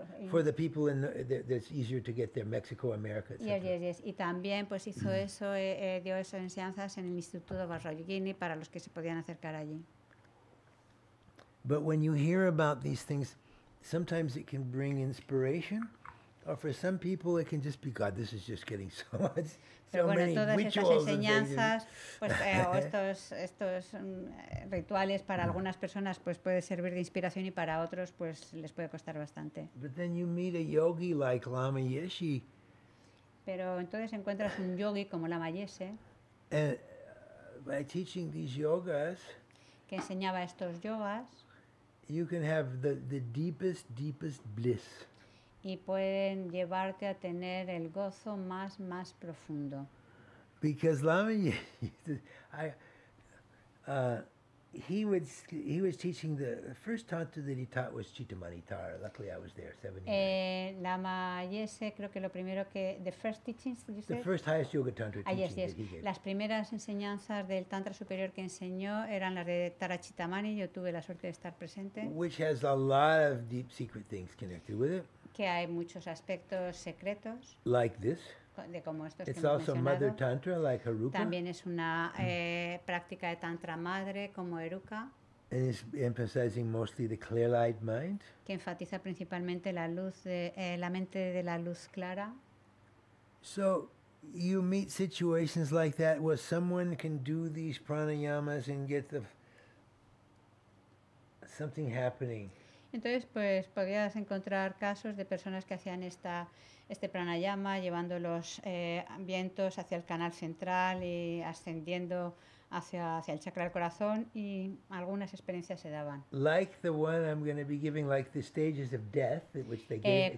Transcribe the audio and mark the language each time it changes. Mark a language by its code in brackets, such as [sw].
[en] For the people in that's easier to get there, Mexico, America, etc. Yes. [es] Y también pues hizo eso, dio esas enseñanzas en el Instituto Varj Yogini para los que se podían acercar allí. [en] But when you hear about these things, sometimes it can bring inspiration. Or for some people, it can just be, God, this is just getting so much, [es] pero [en] so [es] bueno, [en] many rituals [es] estas enseñanzas, pues, estos rituales para algunas personas pues puede servir de inspiración y para otros pues les puede costar bastante. [en] But then you meet a yogi like Lama Yeshe. [es] Pero entonces encuentras un yogi como Lama Yeshe. [en] And by teaching these yogas, [es] que enseñaba estos yogas, [en] you can have the deepest, deepest bliss. [es] Y pueden llevarte a tener el gozo más, más profundo. [en] Because Lama Yeshe, he was teaching the first tantra that he taught was Chittamanitara. Luckily, I was there 79. [es] Lama Yese, creo que lo primero que [en] the first teachings you said? The first highest yoga tantra teaching yes, that he gave. [es] Las primeras enseñanzas del tantra superior que enseñó eran las de Tarachitamani. Yo tuve la suerte de estar presente. [en] Which has a lot of deep secret things connected with it. [es] Que hay muchos aspectos secretos. [en] Like this. [es] De como estos [en] it's [es] que [en] also mother tantra, like Haruka. [es] También es una práctica de tantra madre como Haruka. [en] And it's emphasizing mostly the clear-eyed mind. [es] Que enfatiza principalmente la luz de, la mente de la luz clara. [en] So you meet situations like that where someone can do these pranayamas and get the something happening. [es] Entonces, pues podrías encontrar casos de personas que hacían esta este pranayama llevando los vientos hacia el canal central y ascendiendo hacia el chakra del corazón y algunas experiencias se daban. [en] Like the one I'm going to be giving, like the stages of death, which they gave